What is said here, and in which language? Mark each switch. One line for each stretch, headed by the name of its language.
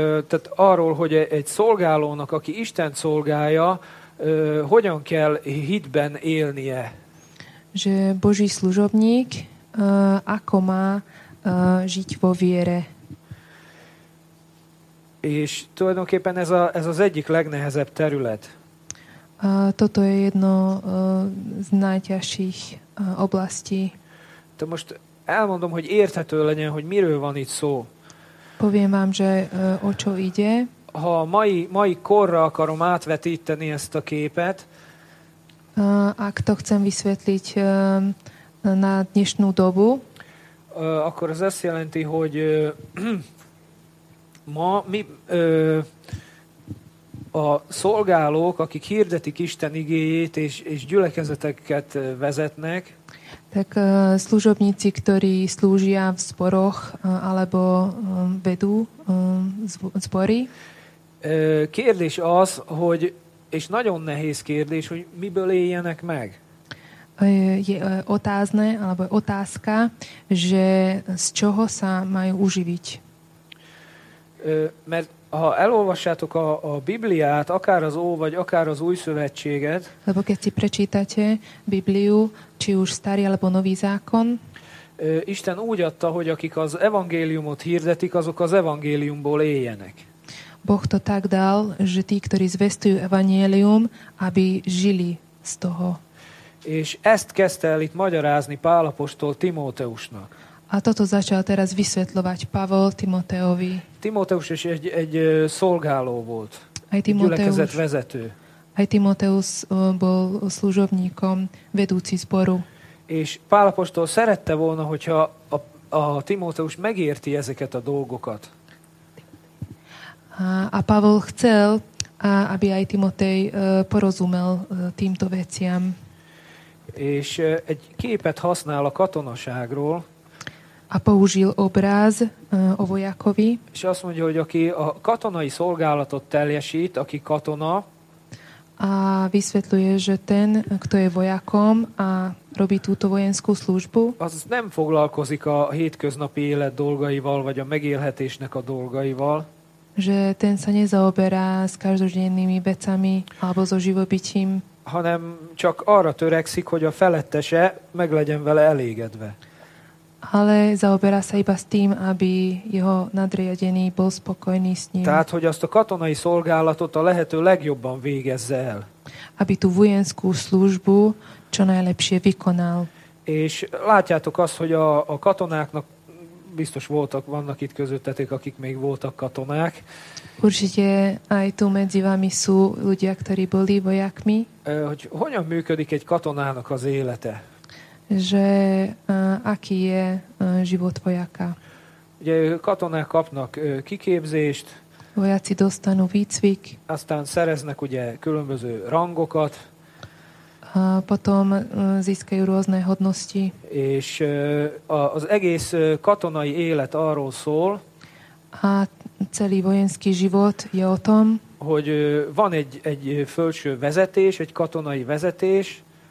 Hungarian: Tehát arról, hogy egy szolgálónak, aki Istent szolgálja, hogyan kell hitben élnie.
Slovak: Že Boží služobník, ako má žiť vo viere.
Hungarian: És tulajdonképpen ez az egyik legnehezebb terület.
Slovak: Toto je jedno z najťažších oblastí.
Hungarian: To most elmondom, hogy érthető legyen, hogy miről van itt szó.
Slovak: Poviem vám, že o čo ide.
Hungarian: Ha mai korra akarom átvetíteni ezt a képet.
Slovak: Ak to chcem vysvetliť na dnešnú dobu.
Hungarian: Akkor ez azt jelenti, hogy ma mi... A szolgálók, akik hirdetik Isten igéjét és gyülekezeteket vezetnek.
Slovak: Tak služobníci, ktorí slúžia v zboroch alebo vedú zbory.
Hungarian: Kérdés az, hogy és nagyon nehéz kérdés, hogy miből éljenek meg.
Slovak: Je otázne, alebo otázka, že z čoho sa majú uživiť.
Hungarian: Mert ha elolvassátok a Bibliát, akár az Ó, vagy akár az Új Szövetséget.
Slovak: Lebo keď si prečítate Bibliu, či už starý alebo nový zákon.
Hungarian: Isten úgy adta, hogy akik az evangéliumot hirdetik, azok az evangéliumból éljenek.
Slovak: Boh to tak dal, že tí, ktorí zvestujú evangélium, aby žili z toho.
Hungarian: És ezt kezdte el itt magyarázni Pál apostol Timóteusnak.
Slovak: A toto začal teraz vysvetľovať Pavol Timoteovi.
Hungarian: Timoteus is egy szolgáló volt.
Slovak: Aj Timoteus,
Hungarian: gyülekezet vezető.
Slovak: Aj Timoteus bol služobníkom, vedúci zboru.
Hungarian: És Pál apostol szerette volna, hogyha a Timoteus megérti ezeket a dolgokat.
Slovak: A Pavol chcel, aby aj Timotej porozumel týmto veciam.
Hungarian: És egy képet használ a katonaságról.
Slovak: A použil obraz o vojakovi.
Hungarian: És azt mondja, hogy aki a katonai szolgálatot teljesít, aki katona.
Slovak: A vysvetľuje, že ten, kto je vojakom a robí túto vojenskú službu.
Hungarian: Az nem foglalkozik a hétköznapi élet dolgaival, vagy a megélhetésnek a dolgaival.
Slovak: Že ten sa nezaoberá s každodennými vecami alebo so živobytím.
Hungarian: Hanem csak arra törekszik, hogy a felettese meg legyen vele elégedve.
Slovak: Ale zaoberá sa iba s tým, aby jeho nadriadený bol spokojný s ním.
Hungarian: Tehát, hogy azt a katonai szolgálatot a lehető legjobban végezze el.
Slovak: Aby tú vojenskú službu čo najlepšie vykonal.
Hungarian: És látjátok azt, hogy a katonáknak biztos voltak, vannak itt közöttetek, akik még voltak katonák.
Slovak: Určite aj tu medzi vami sú ľudia, ktorí boli vojakmi.
Hungarian: Hogy hogyan működik egy katonának az élete?
Slovak: Že aký je život vojaka?
Hungarian: Ugye katonák kapnak kiképzést.
Slovak: Vojaci dostanú výcvik.
Hungarian: Aztán szereznek ugye különböző rangokat.
Slovak: A potom získajú rôzne hodnosti.
Hungarian: És az egész katonai élet arról szól,
Slovak: a celý vojenský život je o tom,
Hungarian: hogy van egy fölső vezetés, egy katonai vezetés,